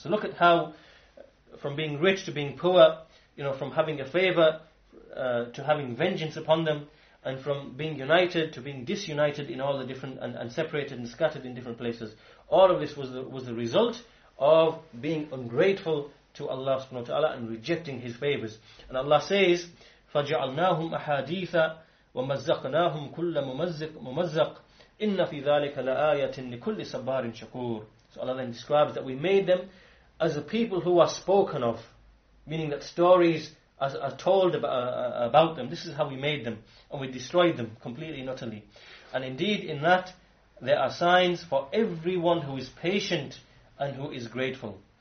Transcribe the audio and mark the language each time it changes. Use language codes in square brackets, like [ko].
[en] So look at how, from being rich to being poor, you know, from having a favor to having vengeance upon them, and from being united to being disunited in all the different and separated and scattered in different places. All of this was the result of being ungrateful to Allah subhanahu wa ta'ala and rejecting His favors. And Allah says, [ar] فَجَعَلْنَاهُمْ أَحَادِيثًا وَمَزَّقْنَاهُمْ كُلَّ مُمَزَّقٍ إِنَّ فِي ذَلِكَ لَآيَةٍ لِكُلِّ صَبَّارٍ شَكُورٍ. [en] So Allah then describes that we made them as a people who are spoken of, meaning that stories are told about them. This is how we made them, and we destroyed them completely and utterly. And indeed in that there are signs for everyone who is patient and who is grateful.